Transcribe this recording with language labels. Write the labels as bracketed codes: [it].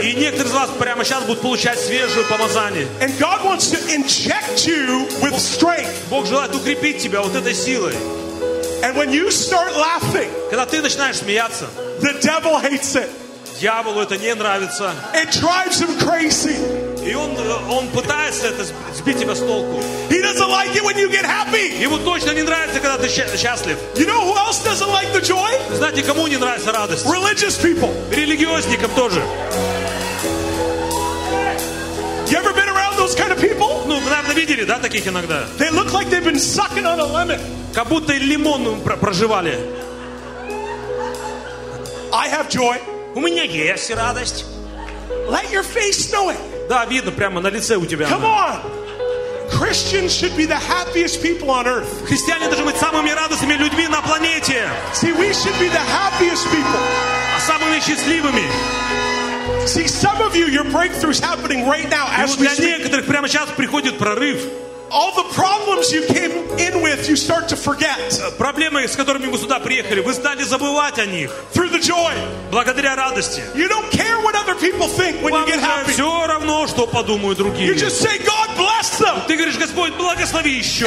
[en] And God wants to inject you with strength. And when you start laughing, the devil hates it. [ru] Дьяволу это не нравится. [en] It drives him crazy. [ru] И он пытается это сбить тебя с толку. [en] He doesn't like it when you get happy. [ru] Ему точно не нравится, когда ты счастлив. [en] You know who else doesn't like the joy? [ru] Знаете, кому не нравится радость? [en] Religious people. [ru] Религиозникам тоже. [en] You ever been around those kind of people? [ru] Ну, наверное, видели, да, таких иногда. [en] They look like they've been sucking on a lemon. [ru] Как будто лимон прожевали. [en] I have joy. [ru] У меня есть и радость. [en] Let your face know it. [ru] Да, видно, прямо на лице у тебя. [en] Come on! Christians should be the happiest people on earth. [ru] Христиане должны быть самыми радостными людьми на планете. [en] See, we should be the happiest people. [ru] А самыми счастливыми. [en] See, some of you, your breakthrough is happening right now as we speak. [ru] И для некоторых прямо сейчас приходит прорыв. [en] All the problems you came in with, you start to forget. [ru] Проблемы, с которыми вы сюда приехали, вы стали забывать о них. [en] Through the joy. [ru] Благодаря радости. [en] You don't care what other people think when you get happy. [ru] Вам все равно, что подумают другие. [en] You just say, God bless them. [ru] Ты говоришь, Господь, благослови еще.